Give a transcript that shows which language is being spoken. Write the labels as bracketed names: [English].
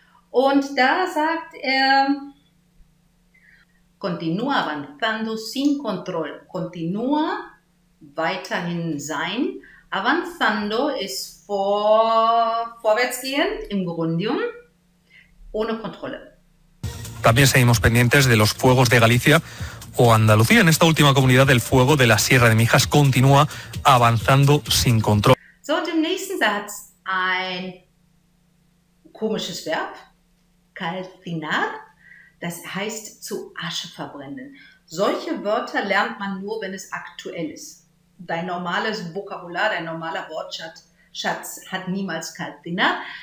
[German] Und da sagt er, [Spanish] continúa avanzando sin control. [German] Continúa, weiterhin sein. Avanzando ist vorwärtsgehend, im Grundium, ohne Kontrolle. [Spanish] También seguimos pendientes de los fuegos de Galicia o Andalucía. En esta última comunidad, el fuego de la Sierra de Mijas continúa avanzando sin control. [German] So, im nächsten Satz ein komisches Verb. Calcinar, das heißt zu Asche verbrennen. Solche Wörter lernt man nur, wenn es aktuell ist. Dein normales Vokabular, dein normaler Wortschatz hat niemals Calcinar.